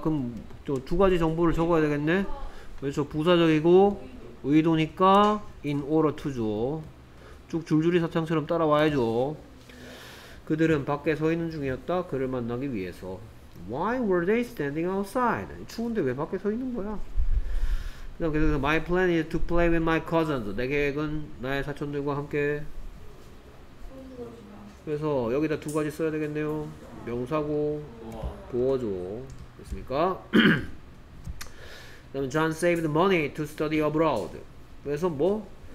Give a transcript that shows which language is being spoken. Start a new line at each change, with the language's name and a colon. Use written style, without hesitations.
Korean: 그럼 저 두 가지 정보를 적어야 되겠네. 그래서 부사적이고 의도니까
English: in order to
Korean: 죠. 쭉 줄줄이 사탕처럼 따라와야죠. 그들은 밖에 서 있는 중이었다. 그를 만나기 위해서.
English: Why were they standing outside?
Korean: 추운데 왜 밖에 서 있는 거야? 그럼 계속해서
English: my plan is to play with my cousins.
Korean: 내 계획은 나의 사촌들과 함께. 그래서 여기다 두 가지 써야 되겠네요. 명사고 보어죠. 됐습니까? 그다음에
English: John saved money to study abroad.
Korean: 그래서 뭐?